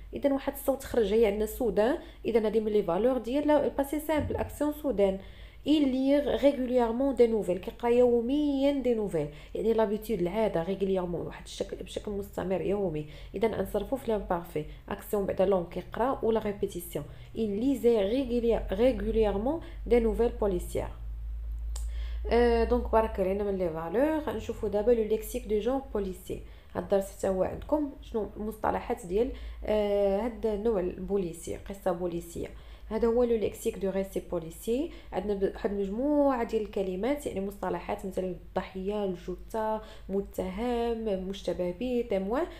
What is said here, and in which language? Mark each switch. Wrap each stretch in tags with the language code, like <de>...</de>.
<ar>اذا واحد الصوت خرج هي عندنا سودان. اذا هذه من لي فالور ديال باسي سامبل اكسيون سودان.</ar> <fr>il lit régulièrement des nouvelles</fr> <ar>كيقرا يوميا دي نوفيل يعني لابيتود العاده ريغليرمون واحد الشكل بشكل مستمر يومي. اذا نصرفو في لامبارفي اكسيون بعد لون كيقرا ولا ريبيتيسيون.</ar> <fr>il lisait régulièrement des nouvelles policières.</fr> <ar>دونك بارك علينا من لي فالور. نشوفو دابا لو ليكسيك دو جون بوليسي. هاد الدرس حتى هو عندكم شنو المصطلحات ديال هاد النوع البوليسي قصه بوليسيه. هذا هو لو ليكسيك دو ريسي بوليسي. عندنا واحد مجموعه ديال الكلمات يعني مصطلحات مثل الضحيه الجثة متهم مشتبه به تيموان.</ar>